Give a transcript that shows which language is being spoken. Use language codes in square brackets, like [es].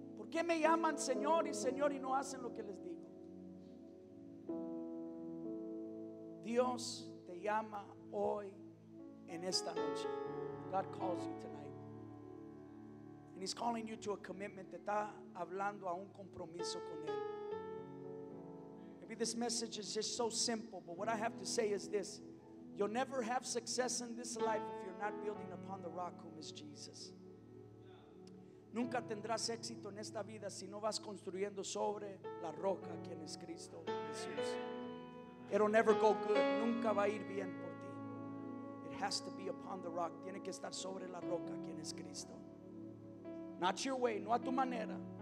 [es] ¿Qué me llaman Señor y Señor y no hacen lo que les digo? Dios te llama hoy en esta noche. [en] God calls you tonight. And he's calling you to a commitment. [es] Te está hablando a un compromiso con Él. [en] Maybe this message is just so simple, but what I have to say is this. You'll never have success in this life if you're not building upon the rock whom is Jesus. [es] Nunca tendrás éxito en esta vida si no vas construyendo sobre la roca, quien es Cristo Jesús. [en] It'll never go good. [es] Nunca va a ir bien por ti. [en] It has to be upon the rock. [es] Tiene que estar sobre la roca, quien es Cristo. [en] Not your way, [es] no a tu manera.